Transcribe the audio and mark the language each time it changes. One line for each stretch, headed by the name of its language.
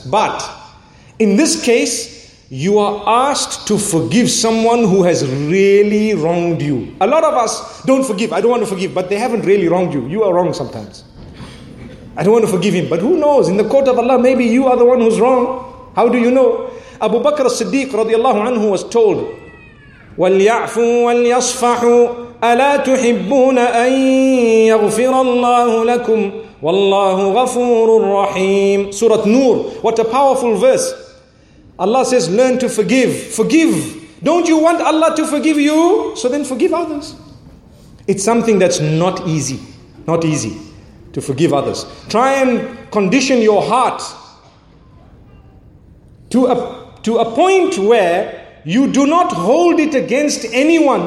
English: But in this case, you are asked to forgive someone who has really wronged you. A lot of us don't forgive. I don't want to forgive, but they haven't really wronged you. You are wrong sometimes. I don't want to forgive him. But who knows? In the court of Allah, maybe you are the one who's wrong. How do you know? Abu Bakr as-Siddiq radiallahu anhu was told,
Arabic: وَلْيَعْفُوا وَلْيَصْفَحُوا أَلَا تُحِبُّونَ أَن يَغْفِرَ اللَّهُ لَكُمْ وَاللَّهُ غَفُورٌ رَّحِيمٌ.
English: Surah Nur, what a powerful verse. Allah says, learn to forgive. Forgive. Don't you want Allah to forgive you? So then forgive others. It's something that's not easy. Not easy to forgive others. Try and condition your heart to a point where you do not hold it against anyone.